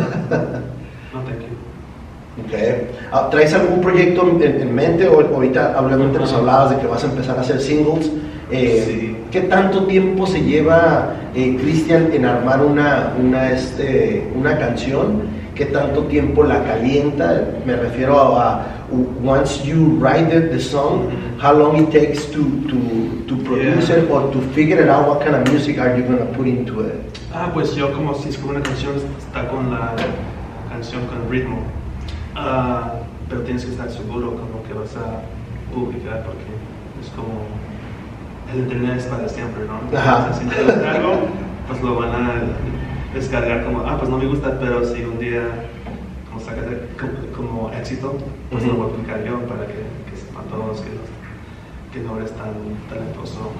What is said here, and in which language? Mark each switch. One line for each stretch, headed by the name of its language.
English: No, thank you.
Spanish: ¿Traes algún proyecto en mente? Ahorita, obviamente, nos hablabas de que vas a empezar a hacer singles. Sí. ¿Qué tanto tiempo se lleva Cristian en armar una canción? ¿Qué tanto tiempo la calienta? Me refiero a
English: once you write the song, how long it takes to produce it or to figure it out what kind of music are you gonna put into it.
Spanish: Ah, pues yo como si escribo una canción, está con la canción, con el ritmo. Pero tienes que estar seguro con lo que vas a publicar porque es como el internet es para siempre, ¿no? Ajá. O sea, si no lo descargo, pues lo van a descargar como, ah, pues no me gusta, pero si un día como saca como éxito, pues lo voy a aplicar yo para que sepan todos que no eres tan talentoso.